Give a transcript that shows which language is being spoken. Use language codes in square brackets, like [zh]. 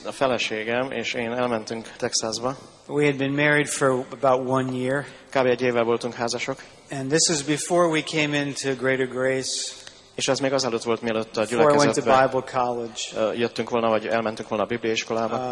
[hu] A feleségem és én elmentünk Texasba. [en] We had been married for about 1 year. [hu] Kb. Egy évvel voltunk házasok. [en] And this is before we came into Greater Grace. [hu] És ez még azelőtt volt, mielőtt a gyülekezetbe. [en] Before we went to Bible college. [hu] Jöttünk volna, vagy elmentünk volna a Biblia iskolába.